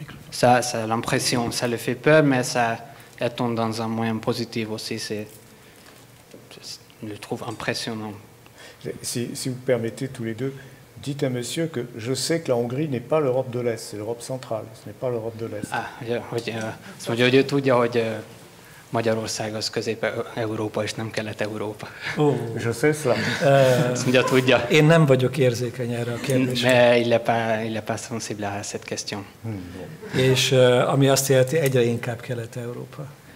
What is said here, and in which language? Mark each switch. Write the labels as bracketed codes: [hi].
[fr] Ça l'impression, ça le fait peur, mais ça attend dans un moyen positif aussi. Je le trouve impressionnant. Si vous permettez, tous les deux, dites à monsieur que je sais que la Hongrie n'est pas l'Europe de l'Est, c'est l'Europe centrale, ce n'est pas l'Europe de l'Est. [hu] Magyarország az közép-európa, és nem kelet-európa. [fr] Je sais cela. [hu] Tudja. Én nem vagyok érzékeny erre a kérdésre. [fr] Il n'est pas sensible à cette question. [hu] És ami azt jelenti, egyre inkább kelet-európa.